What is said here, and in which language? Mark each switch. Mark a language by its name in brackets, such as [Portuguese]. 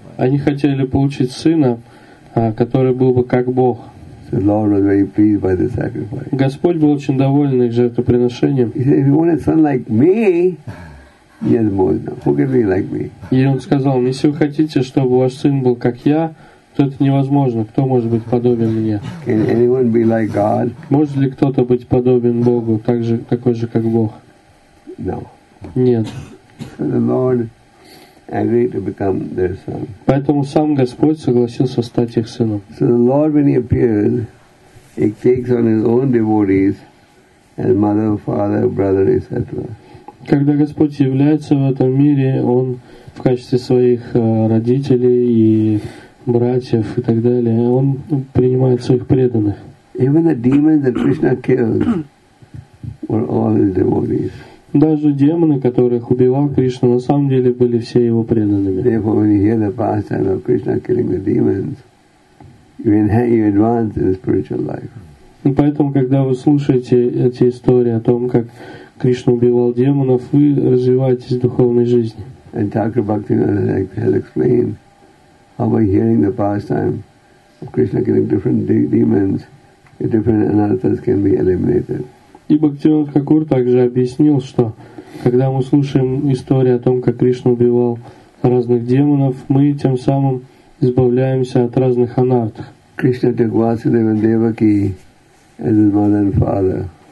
[Russian] Они хотели получить сына, который был бы как Бог. [English] So Lord was very pleased by the sacrifice. [Russian] Господь был очень доволен их жертвоприношением. [English] He said, if you want a son like me, yes, [Russian] можно. [English] Who can be like me? [Russian] И он сказал: если вы хотите, чтобы ваш сын был как я, то это невозможно. Кто может быть подобен мне? [English] Can anyone be like God? [Russian] Может ли кто-то быть подобен Богу, так же, такой же, как Бог? [English] No. [Russian] Нет. [English] So the Lord agreed to become their son. [Russian] Поэтому сам Господь согласился стать их сыном. [English] So the Lord, when he appears, he takes on his own devotees as mother, father, brother, etc. [Russian] Когда Господь является в этом мире, Он в качестве своих родителей и братьев и так далее, Он принимает своих преданных. [English] Even the demons that Krishna killed were all his devotees. [Russian] Даже демоны, которых убивал Кришна, на самом деле были все его преданными. [English] Therefore, when you hear the pastime of Krishna killing the demons, you advance in spiritual life. [Russian] Поэтому, когда вы слушаете эти истории о том, как Кришна убивал демонов, вы развиваетесь в духовной жизни. [English] And Thakur Bhaktivinoda has explained how by hearing the pastime of Krishna killing different demons, the different anarthas can be eliminated. [Russian] И Бхактивинода Такур также объяснил, что когда мы слушаем истории о том, как Кришна убивал разных демонов, мы тем самым избавляемся от разных анартх. [English] Krishna took Vasudeva and Devaki as his mother and father.